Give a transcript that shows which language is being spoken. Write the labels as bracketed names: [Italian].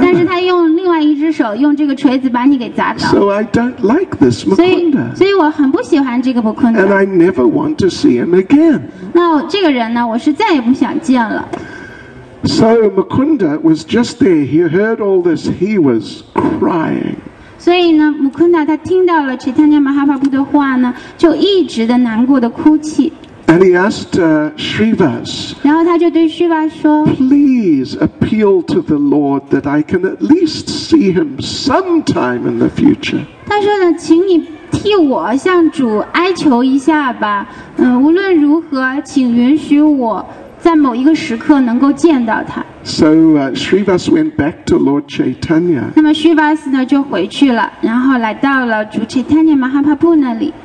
[Chinese] 但是他用另外一只手用这个锤子把你给砸倒。 [English] So I don't like this Mukunda. [Chinese] 所以我很不喜欢这个 Mukunda. [English] And I never want to see him again. [Chinese] 那这个人呢，我是再也不想见了。 [English] So Mukunda was just there. He heard all this. He was crying. [Chinese] 所以呢 ，Mukunda 他听到了 Chaitanya Mahaprabhu 的话呢，就一直的难过的哭泣。 [English] And he asked Srivas. [Chinese] 然后他就对 Srivas 说 [English] ，Please appeal to the Lord that I can at least see him sometime in the future. [Chinese] 他说呢，请你替我向主哀求一下吧。无论如何，请允许我。在某一个时刻能够见到他。 [English] So Srivas went back to Lord Chaitanya. [Chinese] 那么 Srivas 呢就回去了，然后来到了主 Chaitanya Mahaprabhu 那里。